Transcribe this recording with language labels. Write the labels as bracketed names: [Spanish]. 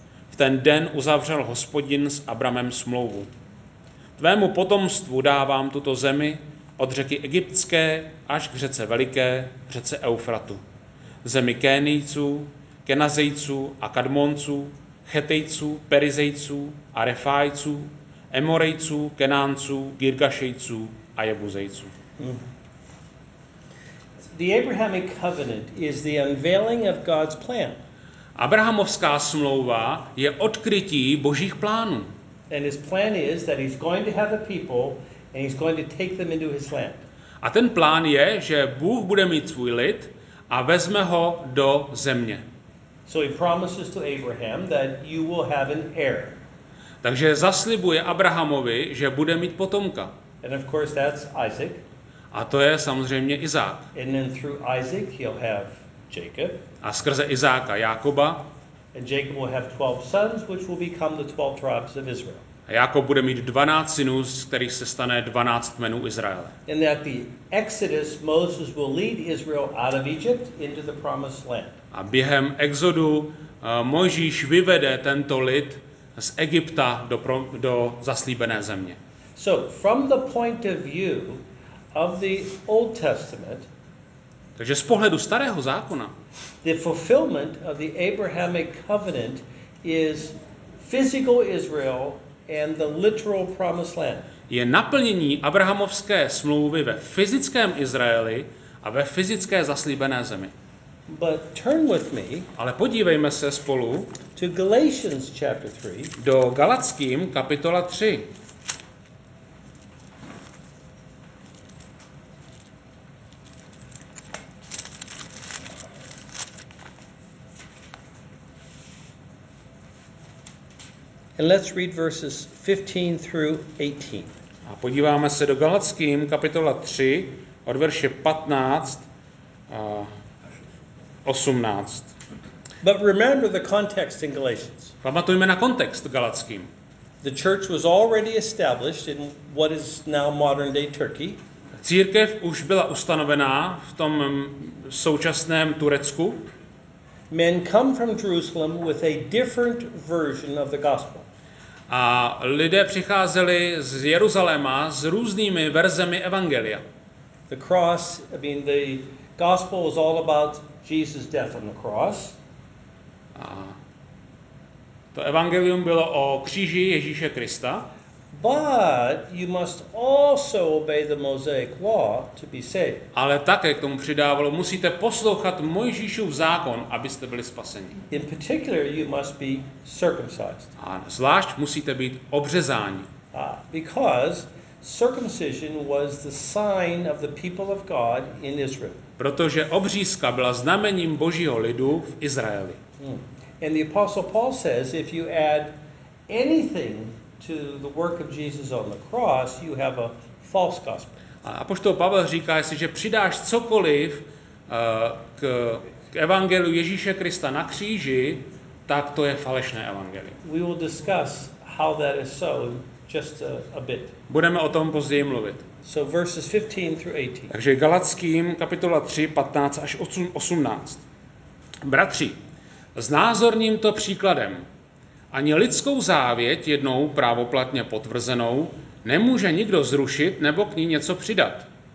[Czech] V ten den uzavřel Hospodin s Abramem smlouvu. Tvému potomstvu dávám tuto zemi od řeky Egyptské až k řece Veliké, řece Eufratu. Zemi Kénijců, Kenazejců a Kadmonců, Chetejců, Perizejců a Refájců, Emorejců, Kenánců, Girgašejců a Jebuzejců. [English] The Abrahamic covenant is the unveiling of God's plan. [Czech] Abrahamovská smlouva je odkrytí Božích plánů. [English] And his plan is that he's going to have a people and he's going to take them into his land. [Czech] A ten plán je, že Bůh bude mít svůj lid a vezme ho do země. [English] So he promises to Abraham that you will have an heir. [Czech] Takže zaslibuje Abrahamovi, že bude mít potomka. [English] And of course that's Isaac. [Czech] A to je samozřejmě Izák. [English] And then through Isaac he'll have Jacob. [Czech] A skrze Izáka Jákoba. [English] And Jacob will have 12 sons, which will become the 12 tribes of Israel. [Czech] A Jákob bude mít 12 synů, z kterých se stane 12 kmenů Izraele. [English] And at the Exodus, Moses will lead Israel out of Egypt into the promised land. [Czech] A během exodu Mojžíš vyvede tento lid z Egypta do zaslíbené země. [English] So from the point of view of the Old Testament. [Czech] Takže z pohledu Starého zákona. [English] The fulfillment of the Abrahamic covenant is physical Israel and the literal promised land. [Czech] Je naplnění Abrahamovské smlouvy ve fyzickém Izraeli a ve fyzické zaslíbené zemi. [English] But turn with me. [Czech] Ale podívejme se spolu [English] to Galatians chapter 3. [Czech] Do Galackým kapitola 3. [English] And let's read verses 15 through 18. [Czech] A podíváme se do Galackým kapitola 3 od verše 15 a 18. [English] But remember the context in Galatians. [Czech] Pamatujme na kontext Galackým. [English] The church was already established in what is now modern day Turkey. [Czech] Církev už byla ustanovená v tom současném Turecku. [English] Men come from Jerusalem with a different version of the gospel. [Czech] A lidé přicházeli z Jeruzaléma s různými verzemi evangelia. [English] The cross, I mean the gospel is all about Jesus' death on the cross. [Czech] A to evangelium bylo o kříži Ježíše Krista. [English] But you must also obey the Mosaic law to be saved. [Czech] Ale také k tomu přidávalo, musíte poslouchat Mojžíšův zákon, abyste byli spaseni. [English] In particular, you must be circumcised. [Czech] A zvlášť musíte být obřezáni. [English] Because circumcision was the sign of the people of God in Israel. [Czech] Protože obřízka byla znamením Božího lidu v Izraeli. [English] And the apostle Paul says if you add anything to the work of Jesus on the cross, you have a false gospel. [Czech] A apoštol Pavel říká, jestliže přidáš cokoliv k evangeliu Ježíše Krista na kříži, tak to je falešné evangelium. [English] We will discuss how that is so in just a bit. [Czech] Budeme o tom později mluvit. [English] So verses 15 through 18. [Czech] Takže Galackým kapitola 3, 15 až 18. Bratři, znázorním to příkladem. Ani lidskou závěť jednou právoplatně potvrzenou nemůže nikdo zrušit nebo k ní něco přidat.